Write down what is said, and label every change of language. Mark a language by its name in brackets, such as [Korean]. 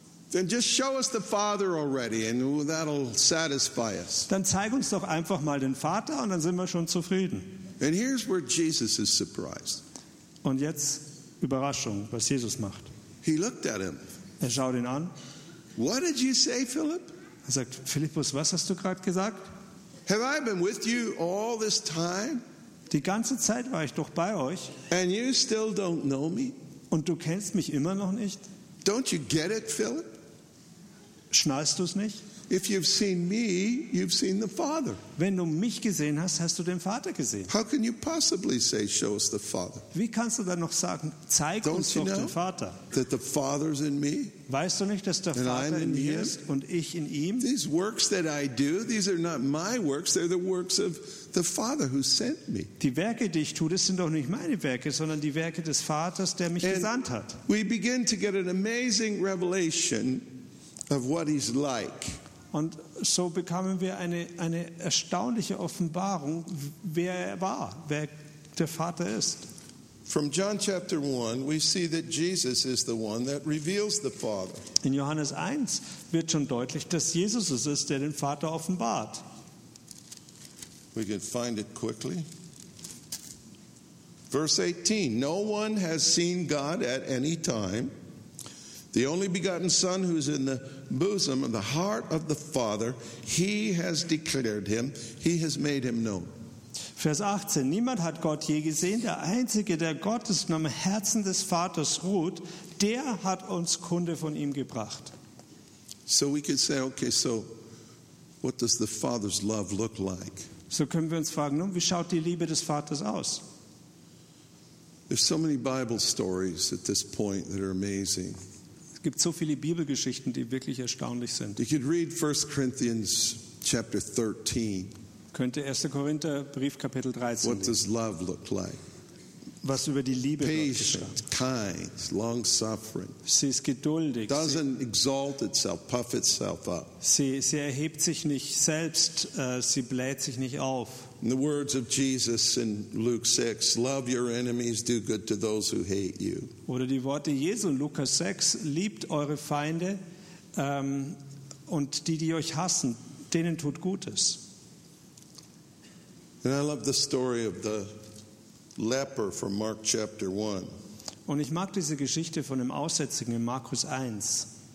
[English] Then just show us the Father already, and that'll satisfy us. [German] Dann zeig uns doch einfach mal den Vater, und dann sind wir schon zufrieden. [English] And here's where Jesus is surprised. [German] Und jetzt Überraschung, was Jesus macht. [English] He looked at him. [German] Er schaut ihn an. [English] What did you say, Philip? [German] Er sagt, Philippus, was hast du gerade gesagt? [English] Have I been with you all this time? [German] Die ganze Zeit war ich doch bei euch. [English] And you still don't know me? [German] Und du kennst mich immer noch nicht? [English] Don't you get it, Philip? [German] Schnallst du es nicht? [English] If you've seen me, you've seen the Father. [German] Wenn du mich gesehen hast, hast du den Vater gesehen. [English] How can you possibly say, show us the Father? [German] Wie kannst du dann noch sagen, zeig uns doch den Vater? [English] That the Father's in me? [German] Weißt du nicht, dass der Vater in mir ist und ich in ihm? [English] These works that I do, these are not my works, they're the works of the Father who sent me. [German] Die Werke, die ich tue, das sind doch nicht meine Werke, sondern die Werke des Vaters, der mich gesandt hat. [English] We begin to get an amazing revelation of what he's like. [German] Und so bekamen wir eine erstaunliche Offenbarung, wer er war, wer der Vater ist. [English] From John chapter 1, we see that Jesus is the one that reveals the Father. [German] In Johannes 1 wird schon deutlich, dass Jesus es ist, der den Vater offenbart. [English] We can find it quickly. Verse 18, no one has seen God at any time. The only begotten Son who is in the bosom of the heart of the Father, he has declared him, he has made him known. [German] Vers 18, niemand hat Gott je gesehen, der Einzige, der Gott ist, am Herzen des Vaters ruht, der hat uns Kunde von ihm gebracht. [English] So we could say, okay, so what does the Father's love look like? [German] So können wir uns fragen, nun, wie schaut die Liebe des Vaters aus? [English] There's so many Bible stories at this point that are amazing. [German] Es gibt so viele Bibelgeschichten, die wirklich erstaunlich sind. [English] You could read 1 Corinthians chapter 13. [German] Könnte 1. Korinther Brief Kapitel 13. [English] What does love look like? [German] Was über die Liebe [English] Patient, kind, long suffering. [German] Sie ist geduldig. [English] Doesn't exalt itself, puff itself up. [German] Sie erhebt sich nicht selbst, sie bläht sich nicht auf. [English] In the words of Jesus in Luke 6, love your enemies, do good to those who hate you. [German] Oder die Worte Jesu in Lukas 6, liebt eure Feinde und die euch hassen, denen tut Gutes. [English] And I love the story of the leper from Mark chapter 1. [German] Und ich mag diese Geschichte von dem Aussätzigen in Markus 1.